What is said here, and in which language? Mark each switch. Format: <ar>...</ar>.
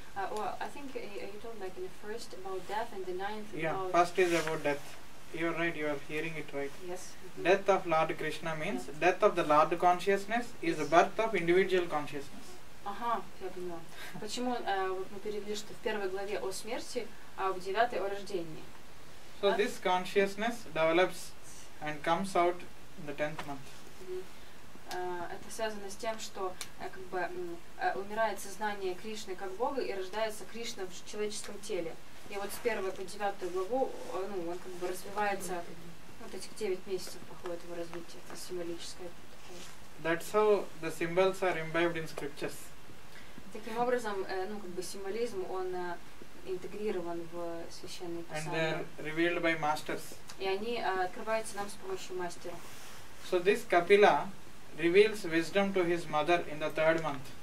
<en>I think you told like in the first about death and the ninth. Yeah, first is about death. You're right. You are hearing it right. Yes. Mm-hmm. Death of Lord Krishna means death of the Lord consciousness is the birth of individual consciousness.</en> <ru>Ага, я поняла. Почему вот мы перевели, что в первой главе о смерти, а в девятой о рождении?</ru> <en>So this consciousness develops and comes out in the 10th month.</en> <ru>Это связано с тем, что как бы умирает сознание Кришны как Бога и рождается Кришна в человеческом теле. И вот с первой по девятую главу, ну, он как бы развивается, вот этих 9 месяцев проходит его развитие, это символическое.</ru> <en>That's how the symbols are imbibed in scriptures.</en> <ru>Таким образом, ну, как бы символизм, он интегрирован в священные писания.</ru> <en>And they're revealed by masters.</en> <ru>И они открываются нам с помощью мастера.</ru> <en>So this Kapila reveals wisdom to his mother in the third month.</en>